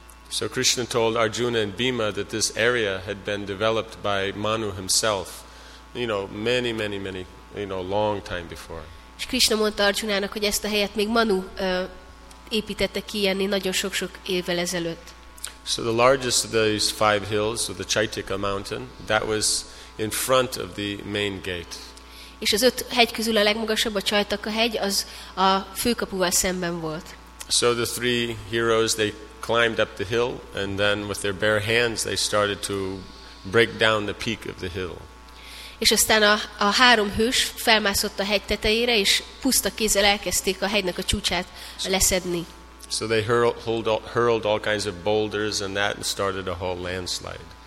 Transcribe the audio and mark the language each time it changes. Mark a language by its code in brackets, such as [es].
[en] So Krishna told Arjuna and Bhima that this area had been developed by Manu himself, many long time before. [hu] És Krishna mondta Arjunának, hogy ezt a helyet még Manu építette ki ilyenni nagyon sok-sok évvel ezelőtt. [en] So the largest of these five hills, so the Chaitika mountain, that was in front of the main gate. [hu] És az öt hegy közül a legmagasabb, a Csajtaka hegy, az a főkapuval szemben volt. [en] So the three heroes, they climbed up the hill, and then with their bare hands, they started to break down the peak of the hill. [hu] És aztán a három hős felmászott a hegy tetejére, és puszta kézzel elkezdték a hegynek a csúcsát leszedni. [en] So they hurled all kinds of boulders and that, and started a whole landslide.